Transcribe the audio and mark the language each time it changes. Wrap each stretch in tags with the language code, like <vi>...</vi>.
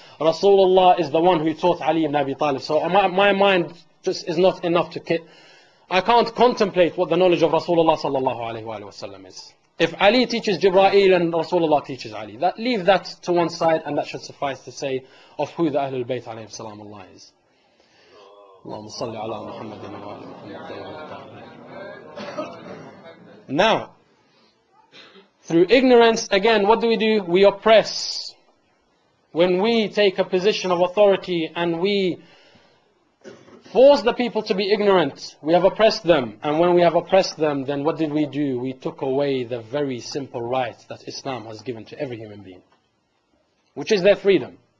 <en>Rasulullah is the one who taught Ali ibn Abi Talib. So my mind just is not enough to get. I can't contemplate what the knowledge of Rasulullah sallallahu alayhi wa sallam is. If Ali teaches Jibra'il and Rasulullah teaches Ali, that leave that to one side and that should suffice to say of who the Ahlul Bayt alayhi wa sallam Allah is.</en> <ar>اللهم صل على محمد وعلى محمد وعلى محمد.</ar> <en>Now, through ignorance, again, what do? We oppress. When we take a position of authority and we force the people to be ignorant, we have oppressed them. And when we have oppressed them, then what did we do? We took away the very simple right that Islam has given to every human being, which is their freedom.</en>